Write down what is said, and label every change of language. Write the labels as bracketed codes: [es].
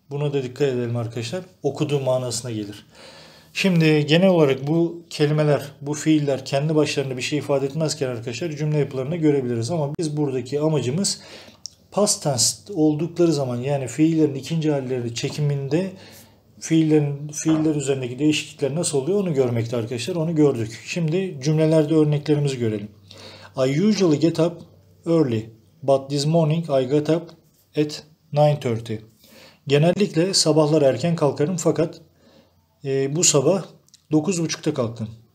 [tr] Buna da dikkat edelim arkadaşlar. Okuduğu manasına gelir. Şimdi genel olarak bu kelimeler, bu fiiller kendi başlarına bir şey ifade etmezken arkadaşlar cümle yapılarını görebiliriz. Ama biz buradaki amacımız past tense oldukları zaman yani fiillerin ikinci hallerini çekiminde fiiller üzerindeki değişiklikler nasıl oluyor onu görmekte arkadaşlar. Onu gördük. Şimdi cümlelerde örneklerimizi görelim. [en] I usually get up early but this morning I got up at 9:30. [tr] Genellikle sabahlar erken kalkarım fakat bu sabah 9:30'da kalktım.